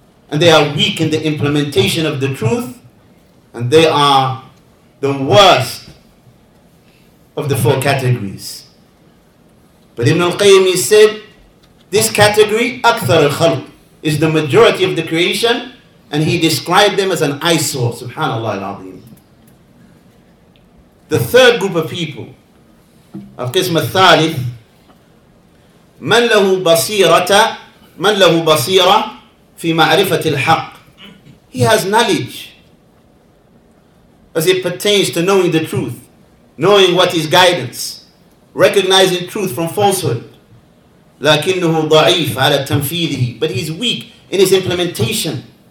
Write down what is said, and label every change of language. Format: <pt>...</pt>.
<en>And they are weak in the implementation of the truth. And they are the worst of the four categories. But Ibn al-Qayyim said, this category,</en> <ar>أَكْثَرُ الْخَلْقِ,</ar> <en>is the majority of the creation. And he described them as an eyesore, subhanAllah al-Azim. The third group of people, of Qism al-Thalith,</en> <ar>من له بصيرة, من له بصيرة في معرفة الحق.</ar> <en>He has knowledge as it pertains to knowing the truth, knowing what is guidance, recognizing truth from falsehood.</en> <ar>لكنه ضعيف على تنفيذه,</ar> <en>but he's weak in his implementation.</en>